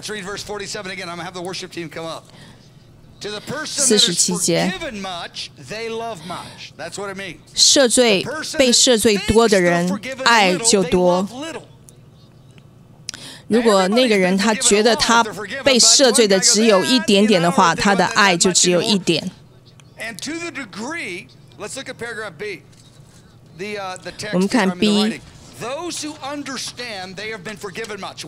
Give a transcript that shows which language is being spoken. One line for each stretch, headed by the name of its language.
English: Let's read verse 47 again. I'm gonna have the worship team come up. To the person that is forgiven much, they love much. That's what it means.
Chinese: 赦罪被赦罪多的人爱就多。如果那个人他觉得他被赦罪的只有一点点的话，他的爱就只有一点。
English: And to the degree, let's look at paragraph B. The text.
Chinese: 我们看 B。
English: Those who understand, they have been forgiven much.